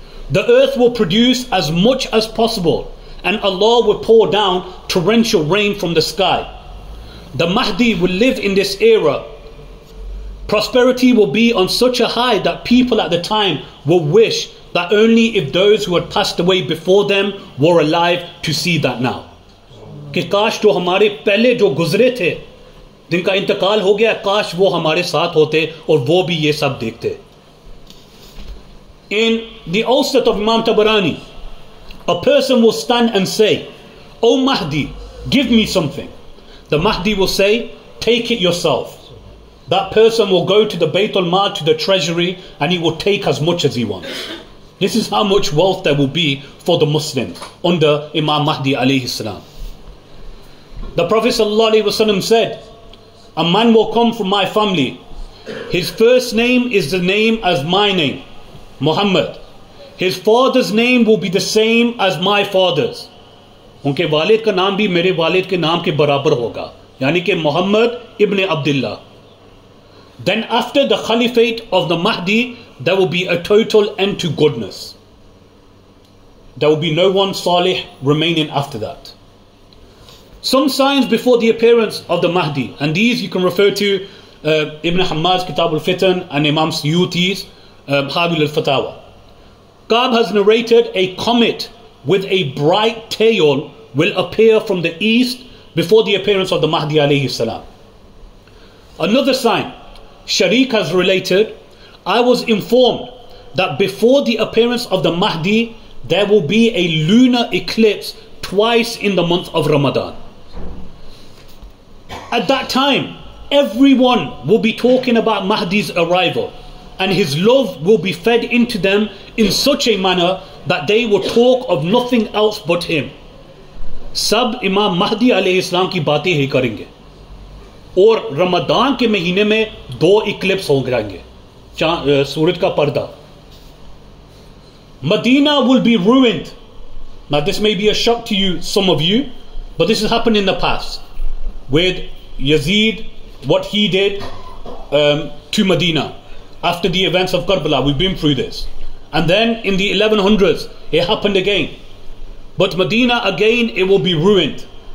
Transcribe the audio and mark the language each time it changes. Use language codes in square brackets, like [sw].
[en] The earth will produce as much as possible, and Allah will pour down torrential rain from the sky. The Mahdi will live in this era. Prosperity will be on such a high that people at the time will wish that only if those who had passed away before them were alive to see that now. [ur] کہ کاش تو ہمارے پہلے جو گزرے تھے، جن کا انتقال ہو گیا، کاش وہ ہمارے ساتھ ہوتے اور وہ بھی یہ سب دیکھتے۔ [en] In the Awsat of Imam Tabarani, a person will stand and say, "O Mahdi, give me something." The Mahdi will say, "Take it yourself." That person will go to the Bayt al-Mal, to the treasury, and he will take as much as he wants. This is how much wealth there will be for the Muslim under Imam Mahdi alayhi salam. The Prophet sallallahu alayhi wasallam said, "A man will come from my family. His first name is the name as my name, Muhammad. His father's name will be the same as my father's." [ur] ان کے والد کا نام بھی میرے والد کے نام کے برابر ہوگا۔ یعنی کے محمد ابن عبداللہ۔ [en] Then after the caliphate of the Mahdi, there will be a total end to goodness. There will be no one salih remaining after that. Some signs before the appearance of the Mahdi, and these you can refer to Ibn Hammad's Kitab al-Fitan and Imam Suyuti's Habil al-Fatawa. Qab has narrated a comet with a bright tail will appear from the east before the appearance of the Mahdi alayhi salam. Another sign, Sharik has related, "I was informed that before the appearance of the Mahdi, there will be a lunar eclipse twice in the month of Ramadan. At that time, everyone will be talking about Mahdi's arrival, and his love will be fed into them in such a manner that they will talk of nothing else but him. [ur] سب امام مہدی علیہ السلام کی باتیں ہی کریں گے۔ اور رمضان کے مہینے میں دو ایکلپس ہو جائیں گے۔ سورج کا پردہ۔ [en] Medina will be ruined." Now this may be a shock to you, some of you, but this has happened in the past with Yazid, what he did to Medina after the events of Karbala. We've been through this. And then in the 1100s, it happened again. But Medina, again, it will be ruined.